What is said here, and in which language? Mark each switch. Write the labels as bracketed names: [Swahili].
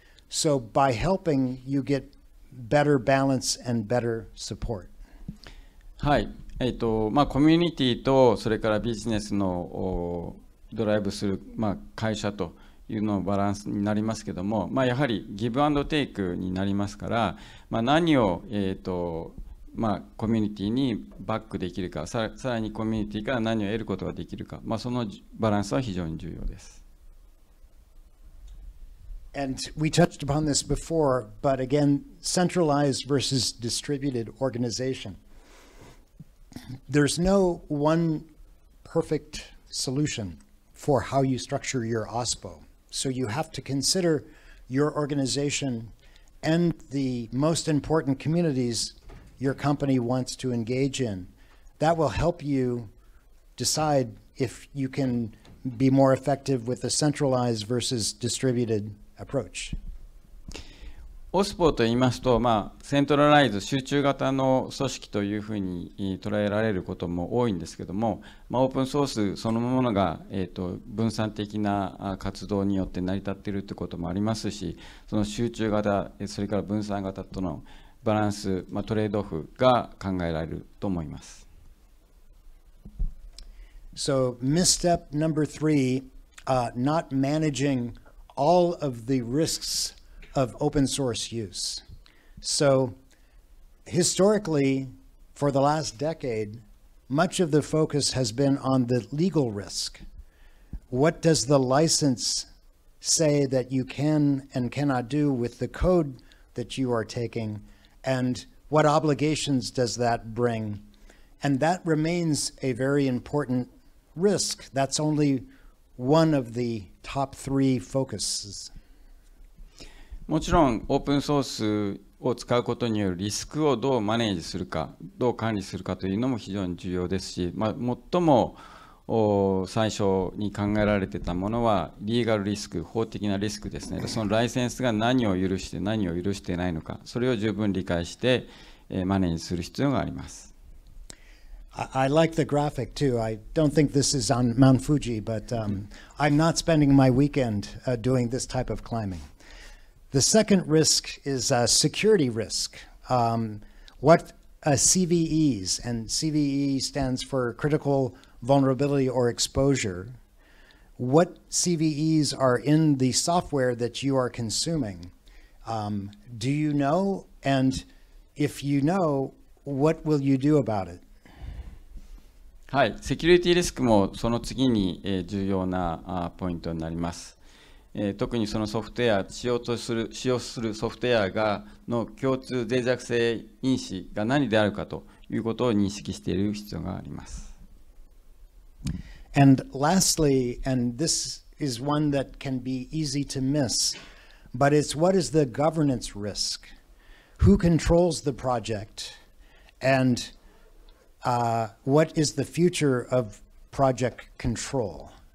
[English] So by helping, you get better balance and better support. [Japanese] はい。まあ、コミュニティとそれからビジネスのドライブする、まあ、会社と。いうのバランスになりますけども、まあ、やはりギブアンドテイクになりますから、まあ、何を、まあ、コミュニティにバックできるか、さらにコミュニティから何を得ることができるか、まあ、そのバランスは非常に重要です。 [English] And we touched upon this before, but again, centralized versus distributed organization. There's no one perfect solution for how you structure your OSPO. So you have to consider your organization and the most important communities your company wants to engage in. That will help you decide if you can be more effective with a centralized versus distributed approach. [Japanese] OSPO と言いますと、まあ、セントラライズ、集中型の組織というふうに捉えられることも多いんですけども、まあ、オープンソースそのものが、分散的な活動によって成り立っているということもありますし、その集中型、それから分散型とのバランス、まあ、トレードオフが考えられると思います。 [English] So, misstep number three, not managing all of the risks. Of open source use. So historically, for the last decade, much of the focus has been on the legal risk. What does the license say that you can and cannot do with the code that you are taking, and what obligations does that bring? And that remains a very important risk. That's only one of the top three focuses. [Japanese] もちろんオープンソースを使うことによるリスクをどうマネージするか、どう管理するかというのも非常に重要ですし、まあ、最も最初に考えられてたものはリーガルリスク、法的なリスクですね。そのライセンスが何を許して何を許していないのか、それを十分理解してマネージする必要があります。 [English] I like the graphic too. I don't think this is on Mount Fuji, but I'm not spending my weekend doing this type of climbing. The second risk is security risk. What CVEs, and CVE stands for critical vulnerability or exposure, what CVEs are in the software that you are consuming? Do you know? And if you know, what will you do about it? [Japanese] はい、セキュリティリスクもその次に重要なポイントになります。特にそのソフトウェア、使用するソフトウェアがの共通脆弱性因子が何であるかということを認識している必要があります。 [English] And lastly, and this is one that can be easy to miss, but it's what is the governance risk? Who controls the project? And what is the future of project control?